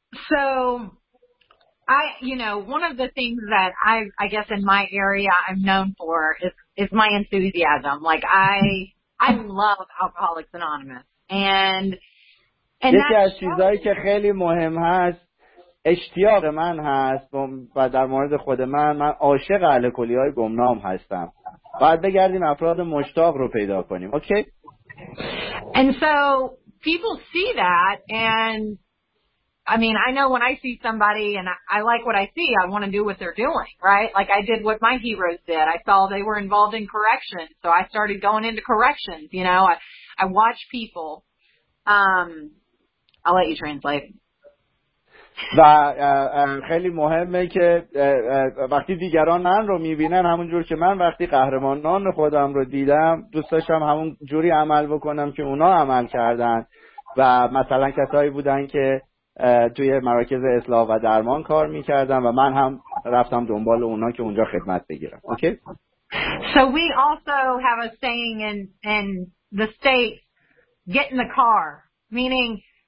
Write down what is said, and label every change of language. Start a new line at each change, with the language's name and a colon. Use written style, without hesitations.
English: So, one of the things that I guess in my area I'm known for is my enthusiasm. Like, I love Alcoholics Anonymous. And
Persian: یکی از چیزایی که خیلی مهم هست اشتیاق من هست و در مورد خود من عاشق الکلی های گمنام هستم. باید بگردیم افراد مشتاق رو پیدا کنیم. اوکی؟
English: And so people see that, and I mean, I know when I see somebody and I like what I see, I want to do what they're doing, right? Like I did what my heroes did. I saw they were involved in corrections, so I started going into corrections, I watch people. I'll let you translate.
Persian: و خیلی مهمه که وقتی دیگران من رو میبینن همون جور که من وقتی قهرمانان خودم رو دیدم دوست داشتم همون جوری عمل بکنم که اونا عمل کردن و مثلا کسایی بودن که توی مراکز اصلاح و درمان کار میکردن و من هم رفتم دنبال اونا که اونجا خدمت بگیرم. اوکی؟
English: So we also have a saying in the state, get in the car, meaning